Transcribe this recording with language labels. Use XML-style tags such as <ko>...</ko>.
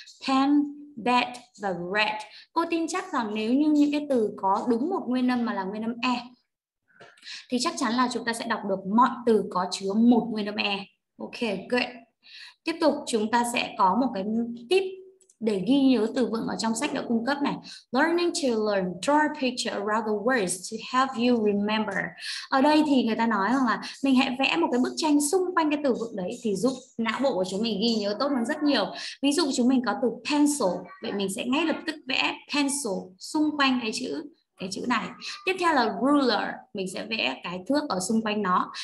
<vi>Pen, bed và red. Cô tin chắc rằng nếu như những cái từ có đúng một nguyên âm mà là nguyên âm e thì chắc chắn là chúng ta sẽ đọc được mọi từ có chứa một nguyên âm e.</vi> <en>Ok, good.</en> <vi>Tiếp tục chúng ta sẽ có một cái tip để ghi nhớ từ vựng ở trong sách đã cung cấp này.</vi> <en>Learning to learn, draw a picture around the words to help you remember.</en> <vi>Ở đây thì người ta nói rằng là mình hãy vẽ một cái bức tranh xung quanh cái từ vựng đấy thì giúp não bộ của chúng mình ghi nhớ tốt hơn rất nhiều. Ví dụ chúng mình có từ pencil, vậy mình sẽ ngay lập tức vẽ pencil xung quanh cái chữ này. Tiếp theo là ruler, mình sẽ vẽ cái thước ở xung quanh nó.</vi>